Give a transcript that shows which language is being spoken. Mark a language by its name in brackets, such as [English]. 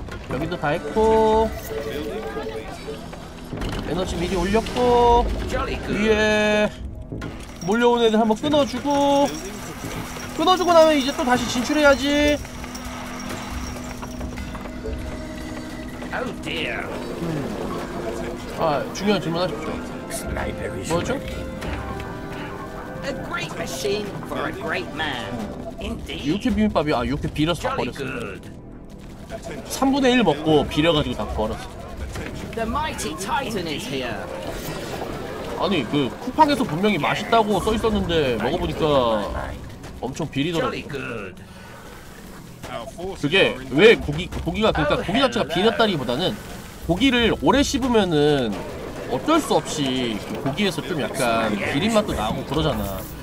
[Korean] 여기도 다 했고 에너지 미리 올렸고 위에 몰려온 애들 한번 끊어주고 끊어주고 나면 이제 또 다시 진출해야지 아 중요한 질문 하십시오 뭐죠? 유효캐 비빔밥이 아 유효캐 빌어서 다 버렸어 3분의 1 먹고 빌어가지고 다 버렸어 [English] The mighty Titan is here. [Korean] 아니 그 쿠팡에서 분명히 맛있다고 써 있었는데 먹어보니까 엄청 비리더라고. 그게 왜 고기가 그러니까 고기 자체가 비렸다기보다는 고기를 오래 씹으면은 어쩔 수 없이 고기에서 좀 약간 비린 맛도 나고 그러잖아.